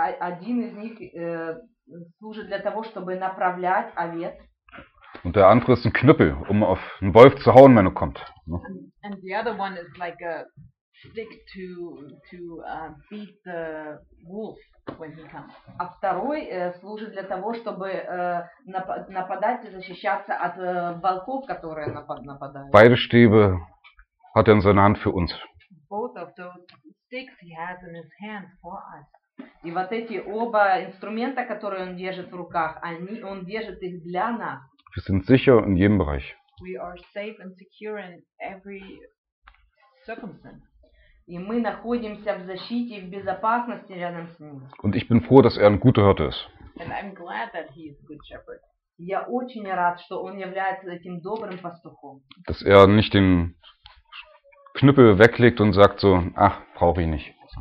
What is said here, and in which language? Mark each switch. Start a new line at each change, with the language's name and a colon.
Russian: Один из них служит для того, чтобы направлять овец.
German: Und der andere ist ein Knüppel, um auf einen Wolf zu hauen, wenn er kommt.
English: And the other one is like a stick to beat the wolf when he comes.
Russian: А второй служит для того, чтобы нападать и защищаться от волков, которые нападают.
German: Beide Stäbe hat er in seiner Hand für uns.
English: Both of those sticks he has in his hand for us.
Russian: И вот эти оба инструмента, которые он держит в руках, он держит их для нас.
German: Wir sind sicher in jedem Bereich.
English: We are safe and secure in every circumstance.
Russian: И мы находимся в защите и в безопасности рядом с ним.
German: Und ich bin froh, dass er ein guter Hirte ist.
English: And I'm glad that he is a good shepherd.
Russian: Я очень рад, что он является этим добрым пастухом.
German: Dass er nicht den Knüppel weglegt und sagt so, ach, brauche ich nicht.